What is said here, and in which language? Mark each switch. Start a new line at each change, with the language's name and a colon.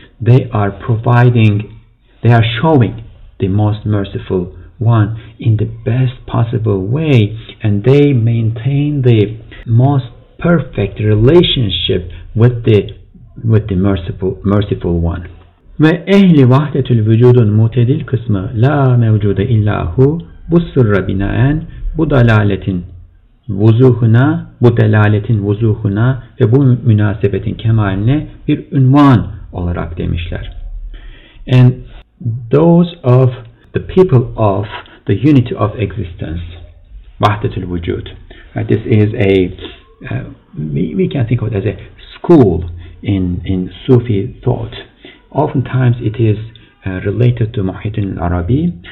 English: They are providing, they are showing the Most Merciful One in the best possible way, and they maintain the most perfect relationship with the merciful one.
Turkish: Ve ehli vahdetül vücudun mutedil kısmı
Arabic: la mevcude illa hu
Turkish: bu sırra binaen bu dalaletin vuzuhuna, bu delaletin vuzuhuna ve bu münasebetin kemaline bir unvan olarak demişler.
English: And those of the people of the unity of existence, Vahdetul Vujud. Right, this is a, we can think of it as a school in Sufi thought. Oftentimes it is related to Muhyiddin al-Arabi.